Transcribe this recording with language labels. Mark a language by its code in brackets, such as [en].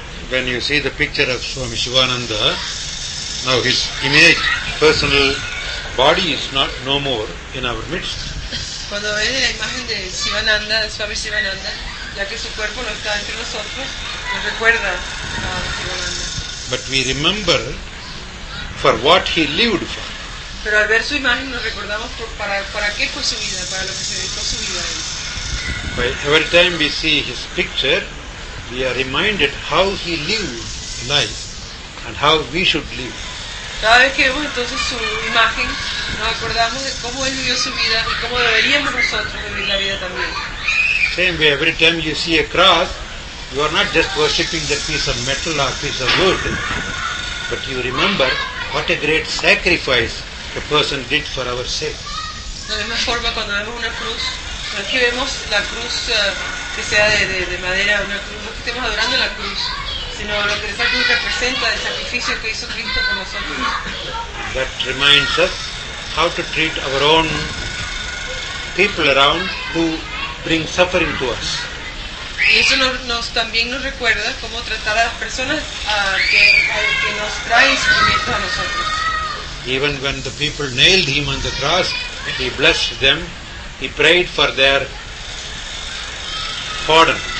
[en] When you see the picture of Swami Sivananda, now his image, personal body is not no more in our midst. [es] Cuando ves la imagen de Sivananda, de Swami Sivananda, ya que su cuerpo no está entre nosotros, nos recuerda a Sivananda. [en] But we remember for what he lived for. [es] Pero al ver su imagen nos recordamos para qué fue su vida, para lo que se dedicó su vida. [en] Well, every time we see his picture, we are reminded how he lived life and how we should live. [es] cada vez que vemos entonces su imagen, nos acordamos de cómo él vivió su vida y cómo deberíamos nosotros vivir la vida también. [en] Same way, every time you see a cross, you are not just worshipping that piece of metal or piece of wood, but you remember what a great sacrifice the person did for our sake. [es] De la misma forma, cuando vemos una cruz, no es que vemos la cruz que sea de madera, una cruz, no es que estemos adorando la cruz, sino lo que esa cruz representa, el sacrificio que hizo Cristo con nosotros. [en] That reminds us how to treat our own people around who bring suffering to us. [es] Y eso nos también nos recuerda cómo tratar a las personas que nos traen sufrimiento a nosotros. [en] Even when the people nailed him on the cross, he blessed them, he prayed for their pardon.